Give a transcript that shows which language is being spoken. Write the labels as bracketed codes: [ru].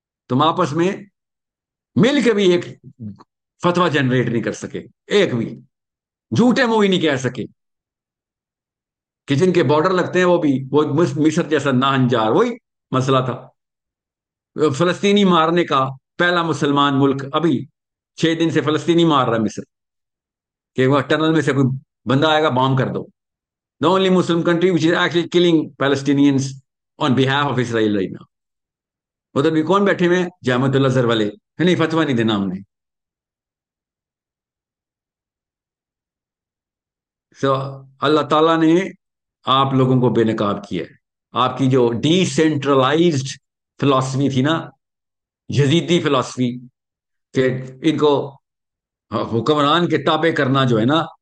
[ur] تم آپس میں مل کے بھی ایک فتویٰ جنریٹ نہیں کر سکے، ایک بھی جھوٹے منہ ہی نہیں کہہ سکے کہ جن کے بارڈر لگتے ہیں وہ بھی وہ مصر جیسا ناہنجار. وہی مسئلہ تھا فلسطینی مارنے کا. پہلا مسلمان ملک ابھی 6 دن سے فلسطینی مار رہا ہے مصر، کہ وہ ٹنل میں سے کوئی بندہ آئے گا بام کر دو. [en] The only Muslim country which is actually killing Palestinians on behalf of Israel right now. [ur] ادھر بھی کون بیٹھے ہوئے؟ جامع الازہر والے. نہیں، فتویٰ نہیں دینا ہم نے. سو اللہ تعالیٰ نے آپ لوگوں کو بے نقاب کیا ہے. آپ کی جو ڈی سینٹرلائزڈ فلاسفی تھی نا، یزیدی فلاسفی، کہ ان کو حکمران کے تابع کرنا جو ہے نا